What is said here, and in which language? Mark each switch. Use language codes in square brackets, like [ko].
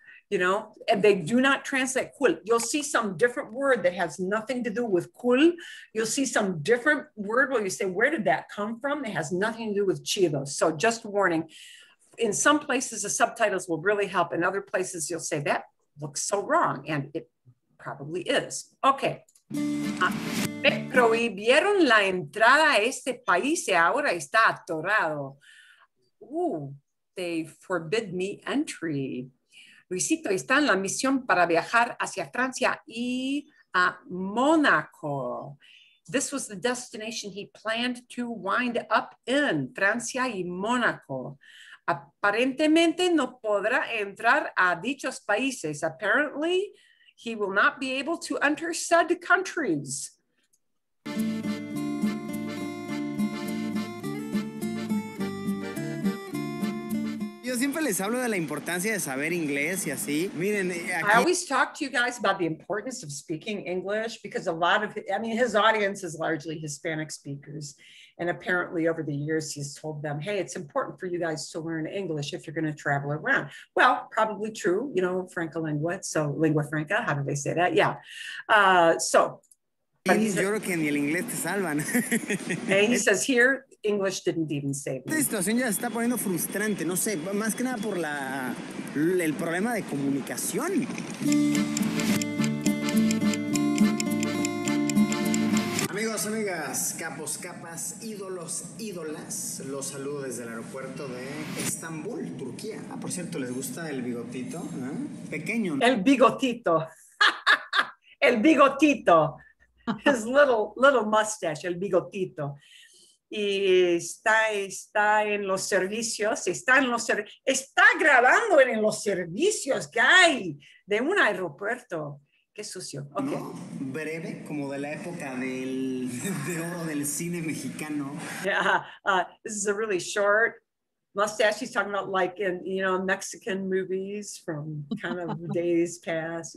[en] You know, and they do not translate cool. You'll see some different word that has nothing to do with cool. You'll see some different word where you say, where did that come from? It has nothing to do with chido. So just warning, in some places the subtitles will really help. In other places you'll say, that looks so wrong. And it probably is. Okay. [es] Me prohibieron la entrada a este país y ahora está atorado. [en] Ooh, they forbid me entry. [es] Luisito está en la misión para viajar hacia Francia y a Mónaco. [en] This was the destination he planned to wind up in, Francia y Mónaco. [es] Aparentemente no podrá entrar a dichos países. [en] Apparently, he will not be able to enter said countries. [es] Siempre les hablo de la importancia de saber inglés y así. Miren, [en] aquí... I always talk to you guys about the importance of speaking English because a lot of, I mean, his audience is largely Hispanic speakers. And apparently over the years, he's told them, hey, it's important for you guys to learn English if you're going to travel around. Well, probably true, you know, Franca lingua. So lingua franca, how do they say that? Yeah. So. But he's, [es] yo creo que ni el inglés te salvan. [en] And he says here, English didn't even save me. [es] Esta situación ya se está poniendo frustrante, no sé, más que nada por el problema de comunicación. Amigos, amigas, capos, capas, ídolos, ídolas, los saludo desde el aeropuerto de Estambul, Turquía. Ah, por cierto, ¿les gusta el bigotito? ¿Eh? Pequeño. El bigotito. El bigotito. [en] His little mustache, [es] el bigotito. Y está en los servicios, está grabando en los servicios, guy, de un aeropuerto. Qué sucio. Okay. No, breve, como de la época de oro del cine mexicano. [en] Yeah, this is a really short mustache. He's talking about like in, you know, Mexican movies from kind of days past.